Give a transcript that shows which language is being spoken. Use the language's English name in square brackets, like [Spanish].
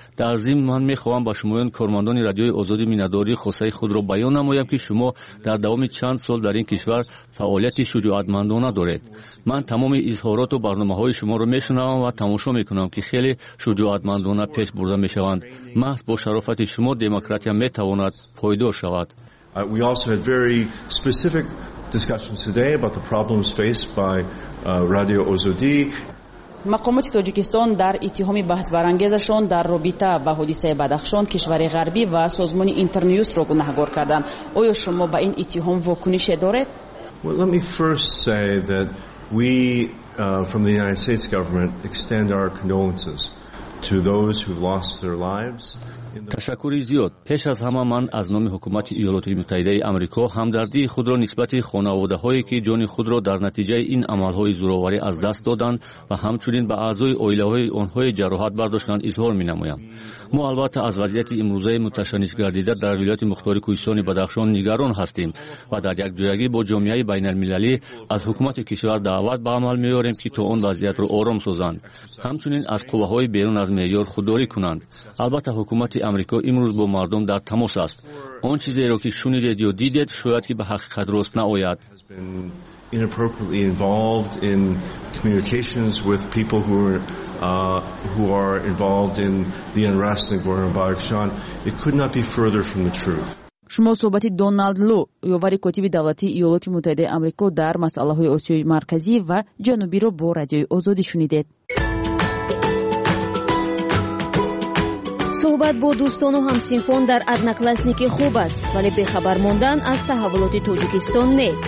[Tajik] در ضمن من می خواهم با شمایان کارمندان رادیوی آزادی مینداری خواسته خود را بیان نمایم که شما در دوام چند سال در این کشور فعالیت شجاعتمندانه دارید. من تمام اظهارات و برنامه های شما را می شنوم و تماشا می کنم که خیلی شجاعتمندانه پیش برده می شوند. محض با شرافت شما دموکراسی می تواند پایدار شود. [English] We also had very specific discussions today about the problems faced by Radio Ozodi. [Tajik] مقامات تاجیکستان در اتهام بحث برانگیزشان در رابطه با حادثه بدخشان کشور غربی و سازمان اینترنیوز را گناهکار کردند. آیا شما به این اتهام واکنشی دارید؟ [English] Well, let me first say that we from the United States government extend our condolences to those who've lost their lives. [Tajik] تشکری زیاد. پیش از همه من از نام حکومت ایالات متحده آمریکا همدردی خود را نسبت خانواده هایی که جان خود را در نتیجه این عمل های زورآوری از دست دادند و همچنین به اعضای آیله های آنهای جراحت برداشتند اظهار می نمایم. ما البته از وضعیت امروزه متشنج گردیده در ولایت مختار کوهستان بدخشان نگران هستیم و در یک جایگی با جامعه بین المللی از حکومت کشور دعوت به عمل می آوریم که تا آن وضعیت را آرام سازند، همچنین از قوه های بیرون از معیار خودداری کنند. البته حکومت امریکا امروز با مردم در تماس است. آن چیزی را که شنیدید یا دیدید شاید که به حقیقت راست نآید. [English] Inappropriately involved in communications with people who are involved in the unrest in Gorno-Badakhshan. It could not be further from the truth. [Tajik] شما صحبت دونالد لو یووری کاتب دولتی ایالات متحده آمریکا در مسائل آسیای مرکزی و جنوبی را با رادیوی آزادی شنیدید. صحبت با دوستان و همسینفون در ادناکلاسنیک خوب است، ولی بی‌خبر ماندن از تحولات تاجیکستان نه.